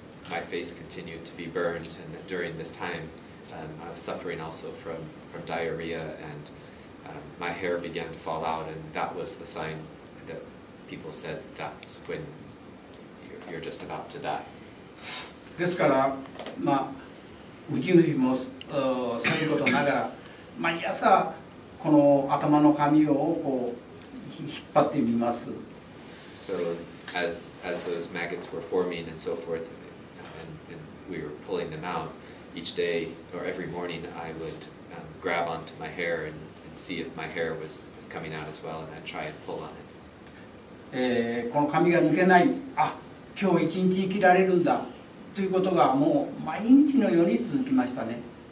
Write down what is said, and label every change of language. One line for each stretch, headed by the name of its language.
English: My face continued to be burned, and during this time I was suffering also from diarrhea, and my hair began to fall out, and that was the sign that people said that's when you're just about to die.
Japanese: ですから、まあ、うちの日もさることながら、毎朝この頭の髪をこう引っ張ってみます。
English: So as those maggots were forming and so forth, and we were pulling them out, each day or every morning I would grab onto my hair and see if my hair was coming out as well, and I'd try and pull on it.